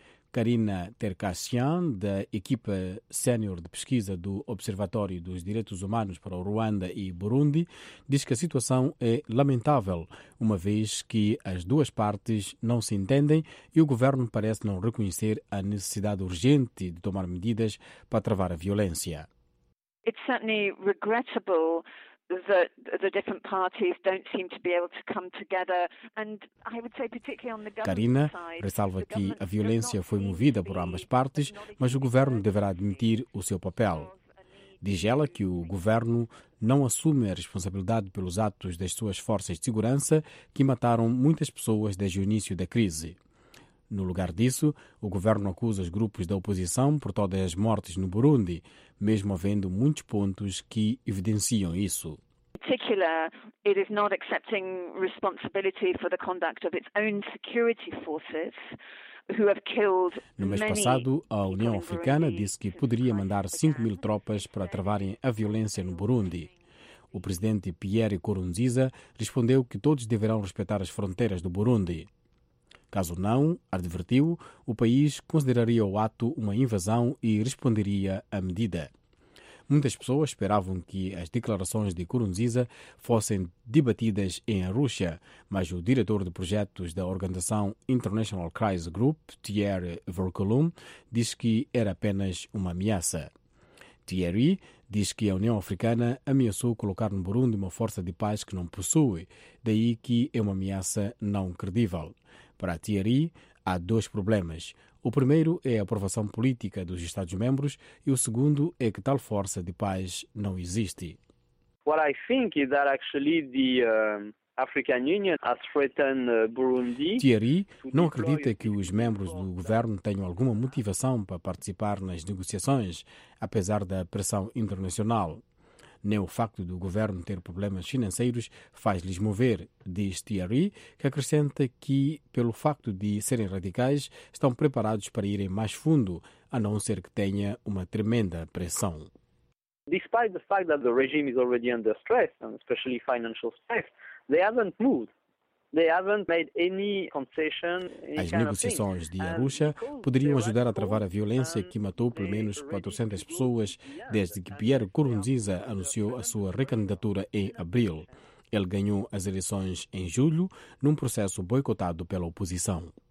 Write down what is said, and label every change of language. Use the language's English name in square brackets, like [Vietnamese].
[Portuguese] Karina Terkassian, da equipa sénior de pesquisa do Observatório dos Direitos Humanos para Ruanda e Burundi, diz que a situação é lamentável, uma vez que as duas partes não se entendem e o governo parece não reconhecer a necessidade urgente de tomar medidas para travar a violência. [English] It's certainly regrettable that the different parties don't seem to be able to come together, and I would say particularly on the government side. [Portuguese] Karina ressalva que a violência foi movida por ambas partes, mas o governo deverá admitir o seu papel. Diz ela que o governo não assume a responsabilidade pelos atos das suas forças de segurança que mataram muitas pessoas desde o início da crise. No lugar disso, o governo acusa os grupos da oposição por todas as mortes no Burundi, mesmo havendo muitos pontos que evidenciam isso. Em particular, [English] it is not accepting responsibility for the conduct of its own security forces. [Portuguese] No mês passado, a União Africana disse que poderia mandar 5 mil tropas para travarem a violência no Burundi. O presidente Pierre Nkurunziza respondeu que todos deverão respeitar as fronteiras do Burundi. Caso não, advertiu, o país consideraria o ato uma invasão e responderia à medida. Muitas pessoas esperavam que as declarações de Nkurunziza fossem debatidas em Arusha, mas o diretor de projetos da organização International Crisis Group, Thierry Verkulum, disse que era apenas uma ameaça. Thierry diz que a União Africana ameaçou colocar no Burundi uma força de paz que não possui, daí que é uma ameaça não credível. Para Thierry, há dois problemas. O primeiro é a aprovação política dos Estados-membros e o segundo é que tal força de paz não existe. [English] What I think is that actually the African Union has threatened Burundi. [Portuguese] Thierry não acredita que os membros do governo tenham alguma motivação para participar nas negociações, apesar da pressão internacional. Nem o facto do governo ter problemas financeiros faz-lhes mover, diz Thierry, que acrescenta que, pelo facto de serem radicais, estão preparados para irem mais fundo, a não ser que tenha uma tremenda pressão. [English] Despite the fact that the regime is already under stress, and especially financial stress, they haven't moved. They haven't made any concession. [Portuguese] As negociações de Arusha poderiam ajudar a travar a violência que matou pelo menos 400 pessoas desde que Pierre Nkurunziza anunciou a sua recandidatura em abril. Ele ganhou as eleições em julho, num processo boicotado pela oposição.